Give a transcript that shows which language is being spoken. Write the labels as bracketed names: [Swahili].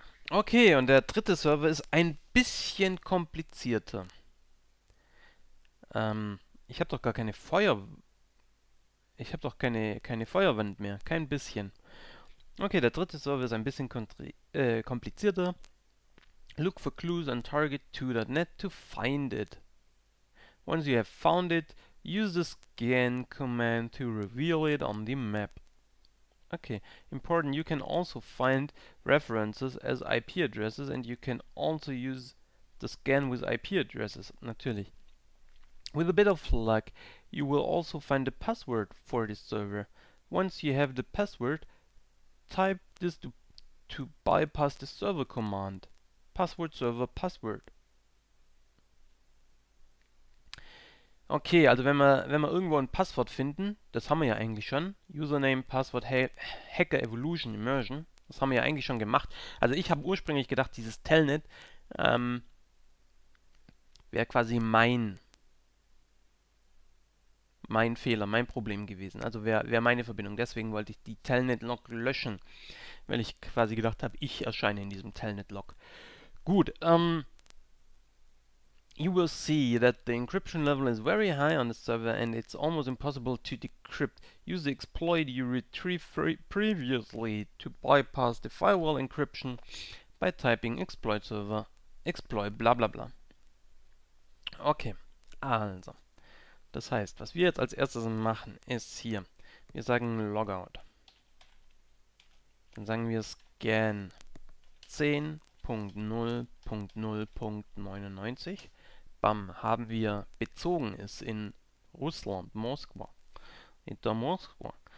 [German] Okay, und der dritte Server ist ein bisschen komplizierter. Ich habe doch gar keine Feuer. Ich habe doch keine Feuerwand mehr. Kein bisschen. Okay, der dritte Server ist ein bisschen komplizierter. [English] Look for clues on target2.net to find it. Once you have found it, use the scan command to reveal it on the map. Okay, important, you can also find references as IP addresses and you can also use the scan with IP addresses, natürlich. With a bit of luck, you will also find the password for this server. Once you have the password, type this to bypass the server command. Password server password. [German] Okay, also wenn wir irgendwo ein Passwort finden, das haben wir ja eigentlich schon. Username, Passwort, Hacker, Evolution, Immersion. Das haben wir ja eigentlich schon gemacht. Also ich habe ursprünglich gedacht, dieses Telnet wäre quasi mein Fehler, mein Problem gewesen. Also wäre meine Verbindung. Deswegen wollte ich die Telnet-Log löschen. Weil ich quasi gedacht habe, ich erscheine in diesem Telnet-Log. [English] Gut, you will see that the encryption level is very high on the server and it's almost impossible to decrypt. Use the exploit you retrieved previously to bypass the firewall encryption by typing exploit server, exploit bla bla bla. [German] Okay, also. Das heißt, was wir jetzt als erstes machen, ist hier. Wir sagen logout. Dann sagen wir scan 10.0.0.99. Bam, haben wir bezogen, ist in Russland, Moskwa. In der Moskwa.